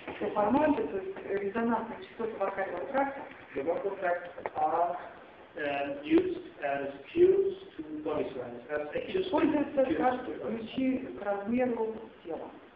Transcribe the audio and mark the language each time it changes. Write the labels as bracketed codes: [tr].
[ru] что форманты, то есть резонансные частоты вокального тракта, [en] the vocal tract are used as cues to body size, [ru] используются как ключи к размеру тела.